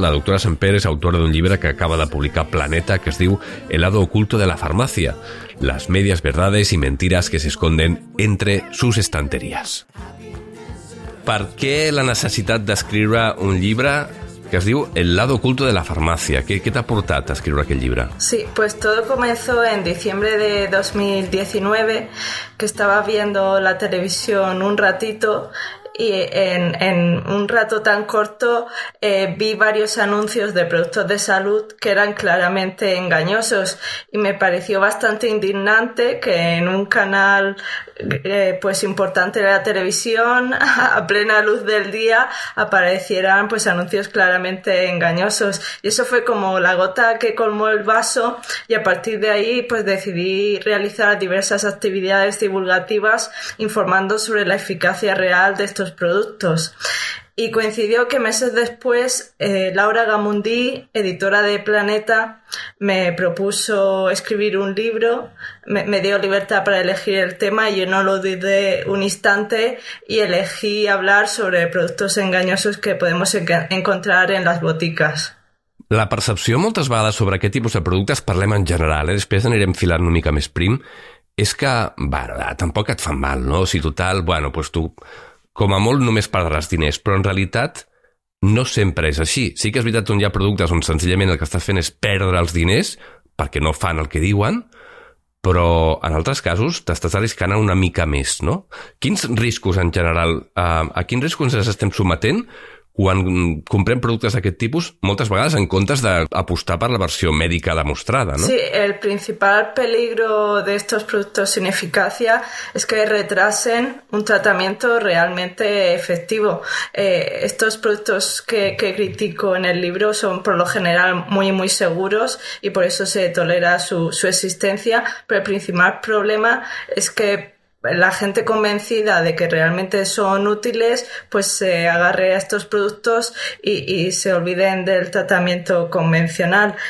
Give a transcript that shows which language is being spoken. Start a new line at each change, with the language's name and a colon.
Catalan: La doctora Samper és autora d'un llibre que acaba de publicar Planeta, que es diu El lado oculto de la farmacia, las medias verdades y mentiras que se esconden entre sus estanterías. Per què la necessitat d'escriure un llibre que es diu El lado oculto de la farmacia? ¿Qué t'ha portat a escriure aquest llibre?
Spanish: Sí, pues todo comenzó en diciembre de 2019, que estaba viendo la televisión un ratito y en un rato tan corto vi varios anuncios de productos de salud que eran claramente engañosos y me pareció bastante indignante que en un canal pues importante de la televisión a plena luz del día aparecieran pues anuncios claramente engañosos, y eso fue como la gota que colmó el vaso, y a partir de ahí pues decidí realizar diversas actividades divulgativas informando sobre la eficacia real de estos productos. Y coincidió que meses después Laura Gamundí, editora de Planeta, me propuso escribir un libro, me dio libertad para elegir el tema y yo no lo dudé un instante y elegí hablar sobre productos engañosos que podemos encontrar en las boticas.
Catalan: La percepció moltes vegades sobre aquest tipus de productes, parlem en general, després anirem filant una mica més prim, és que, tampoc et fan mal, no? Si total, tu... com a molt només perdràs diners, però en realitat no sempre és així. Sí que és veritat on hi ha productes on senzillament el que estàs fent és perdre els diners perquè no fan el que diuen, però en altres casos t'estàs arriscant una mica més, no? Quins riscos en general, a quins riscos ens estem sometent quan comprem productes d'aquest tipus, moltes vegades en comptes d'apostar per la versió mèdica demostrada, no?
Spanish: Sí, el principal peligro de estos productos sin eficacia es que retrasen un tratamiento realmente efectivo. Estos productos que critico en el libro son por lo general muy, muy seguros y por eso se tolera su existencia, pero el principal problema es que la gente convencida de que realmente son útiles, pues se agarre a estos productos y se olviden del tratamiento convencional.